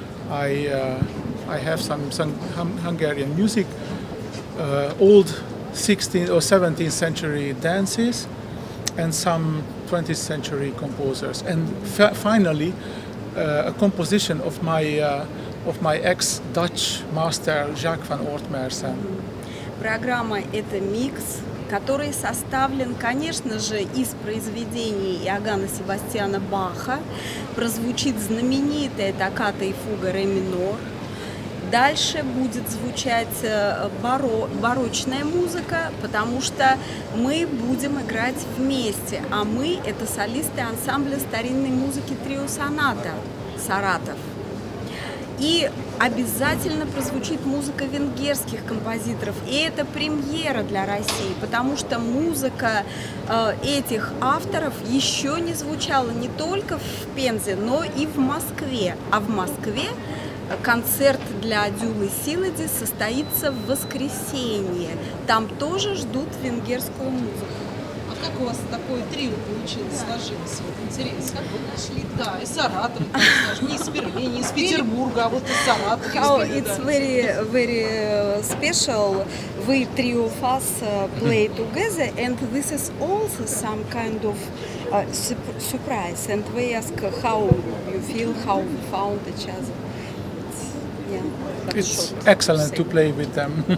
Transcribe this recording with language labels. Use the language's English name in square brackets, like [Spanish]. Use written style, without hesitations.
[English] I have some Hungarian music, old 16th or 17th century dances, and some 20th century composers, and finally a composition of my ex-Dutch master Jacques van Oort-Mersen. [Russian] Программа это микс, который составлен, конечно же, из произведений Иоганна Себастьяна Баха. Прозвучит знаменитая токката и фуга ре минор. Дальше будет звучать барочная музыка, потому что мы будем играть вместе. А мы – это солисты ансамбля старинной музыки «Трио Соната» Саратов. И обязательно прозвучит музыка венгерских композиторов. И это премьера для России, потому что музыка этих авторов еще не звучала не только в Пензе, но и в Москве. А в Москве концерт для Дюлы Силади состоится в воскресенье. Там тоже ждут венгерскую музыку. Как у вас такой трио получилось, сложилось? Вот интересно, как вы нашли? Да, из Саратов, не из Перми, не из Петербурга, а вот из Саратов. [English] Oh, it's very, very special. We three of us play together, and this is also some kind of surprise. And we ask how you feel, how you found each other. Yeah, it's excellent to play with them.